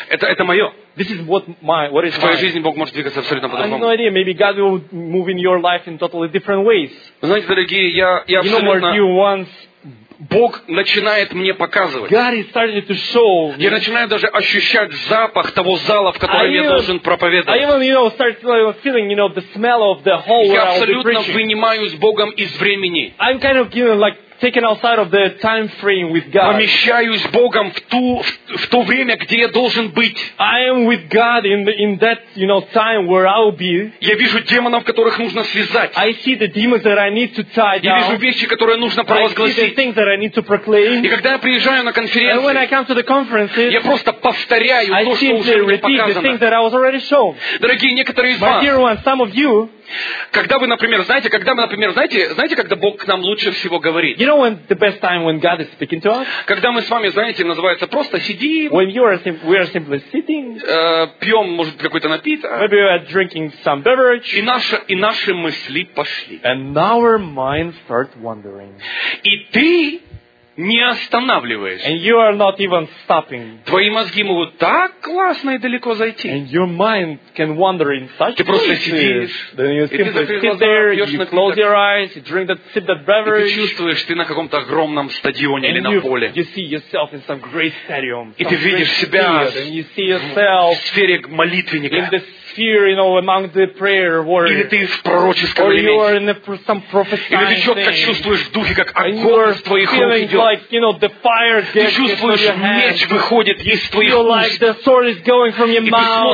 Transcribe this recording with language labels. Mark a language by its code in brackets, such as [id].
[ru] Это мое. [en] This is what my, what is [ru] в твоей жизни Бог может двигаться абсолютно по-другому. [en] I have no idea. Maybe God will move in your life in totally different ways. [ru] Знаете, дорогие, я [en] you [ru] абсолютно. [en] You know, once. [ru] Бог начинает мне показывать. Я начинаю даже ощущать запах того зала, в котором я должен проповедовать. Я абсолютно вынимаю с Богом из времени. [en] Taken outside of the time frame with God. [ru] Помещаюсь с Богом в то время, где я должен быть. [en] I am with God in that, you know, time where I'll be. [ru] Я вижу демонов, которых нужно связать. [en] I see the demons that I need to tie down. [ru] Я вижу вещи, которые нужно провозгласить. [en] I see the things that I need to proclaim. [ru] И когда я приезжаю на конференции, [en] and when I come to the conferences, [ru] я просто повторяю то, что уже мне показано. [en] The things that I was already shown. [ru] Дорогие, некоторые из [en] My [ru] вас, [en] dear ones, some of you, [ru] когда вы, например, знаете, когда мы, например, знаете, когда Бог к нам лучше всего говорит? [en] You know when the best time when God is speaking to us? [ru] Когда мы с вами, знаете, называется просто сидим. [en] When you are we are simply sitting. [ru] Пьем, может, какой-то напиток. [en] Maybe we are drinking some beverage. [ru] И наши мысли пошли. [en] And our minds start wandering. [ru] И ты не останавливаешься. [en] And you are not even stopping. [ru] Твои мозги могут так классно и далеко зайти. [en] And your mind can wander in such [ru] ты просто сидишь. [en] Then you simply sit there, you close your eyes, you drink that, sip that beverage. [ru] И ты чувствуешь, ты на каком-то огромном стадионе [en] and [ru] или на поле. [en] You see yourself in some great stadium. [ru] И ты видишь себя в сфере молитвенника. [en] In the sphere, you know, among the prayer warriors. [ru] Или ты в пророческом элементе. [en] Or you are in some prophesying thing. [ru] Или ты четко чувствуешь в духе, как огонь из твоих рук идет. [en] Like, you know, the fire [ru] ты чувствуешь, меч выходит из твоих уст. [en] Like the sword is going from your mouth.